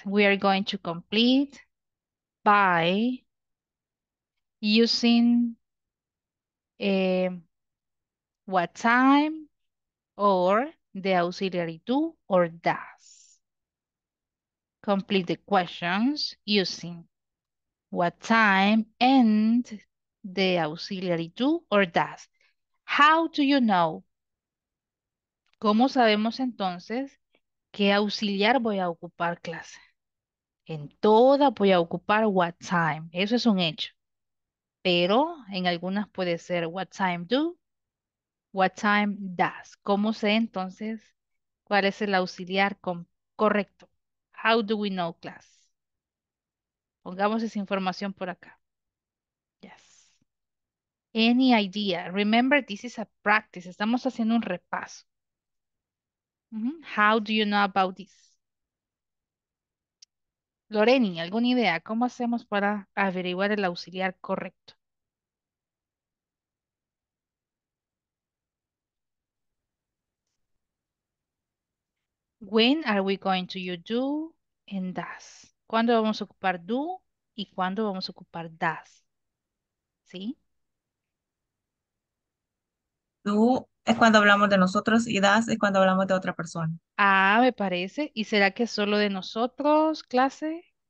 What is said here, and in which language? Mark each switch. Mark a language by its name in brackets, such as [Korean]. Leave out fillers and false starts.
[English] We are going to complete by using what time or the auxiliary do or does. Complete the questions using what time and the auxiliary do or does. How do you know? [Spanish] ¿Cómo sabemos entonces qué auxiliar voy a ocupar, clase? En todas voy a ocupar what time. Eso es un hecho. Pero en algunas puede ser what time do, what time does. ¿Cómo sé entonces cuál es el auxiliar correcto? [English] How do we know, class? [Spanish] Pongamos esa información por acá. [English] Yes. Any idea? Remember, this is a practice. [Spanish] Estamos haciendo un repaso. [English] How do you know about this? [Spanish] Loreni, ¿alguna idea? ¿Cómo hacemos para averiguar el auxiliar correcto? [English] When are we going to use do and does? [Spanish] ¿Cuándo vamos a ocupar do y cuándo vamos a ocupar does? ¿Sí? Do es cuando hablamos de nosotros y does es cuando hablamos de otra persona. Ah, me parece. ¿Y será que solo de nosotros, clase?